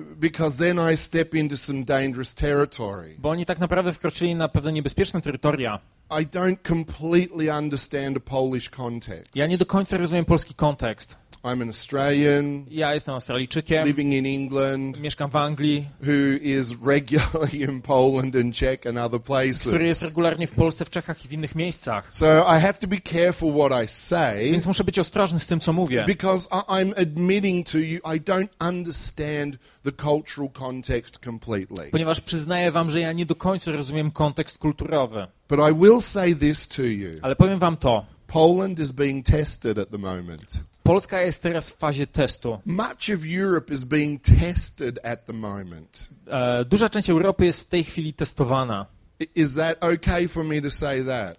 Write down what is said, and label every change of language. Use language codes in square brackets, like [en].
[en] Because then I step into some dangerous territory. [pl] Bo oni tak naprawdę wkroczyli na pewne niebezpieczne terytoria. [en] I don't completely understand the Polish context. [pl] Ja nie do końca rozumiem polski kontekst. [en] I'm an Australian. [pl] Ja jestem Australijczykiem. [en] Living in England. [pl] Mieszkam w Anglii. [en] Who is regularly in Poland and Czech and other places. [pl] Który jest regularnie w Polsce, w Czechach i w innych miejscach. [en] So I have to be careful what I say. [pl] Więc muszę być ostrożny z tym, co mówię. [en] Because I'm admitting to you, I don't understand the cultural context completely. [pl] Ponieważ przyznaję wam, że ja nie do końca rozumiem kontekst kulturowy. [en] But I will say this to you. [pl] Ale powiem wam to. [en] Poland is being tested at the moment. [pl] Polska jest teraz w fazie testu. [en] Much of Europe is being tested at the moment. [pl] Duża część Europy jest w tej chwili testowana. [en] Is that okay for me to say that?